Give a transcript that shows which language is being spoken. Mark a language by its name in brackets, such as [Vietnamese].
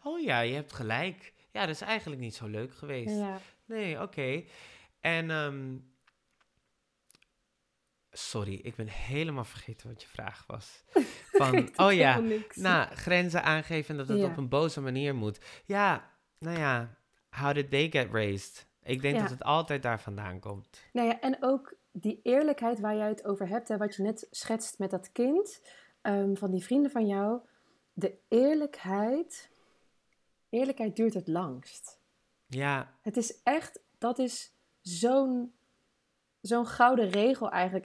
[Dutch] Oh ja, je hebt gelijk. Ja, dat is eigenlijk niet zo leuk geweest. Ja. Nee, oké. En sorry, ik ben helemaal vergeten wat je vraag was. Van, oh ja, nou, grenzen aangeven dat het op een boze manier moet. Ja, nou ja, [English] how did they get raised? [Dutch] Ik denk dat het altijd daar vandaan komt. Nou ja, en ook die eerlijkheid waar jij het over hebt, hè, wat je net schetst met dat kind, van die vrienden van jou, de eerlijkheid duurt het langst. Ja. Het is echt, dat is zo'n gouden regel eigenlijk.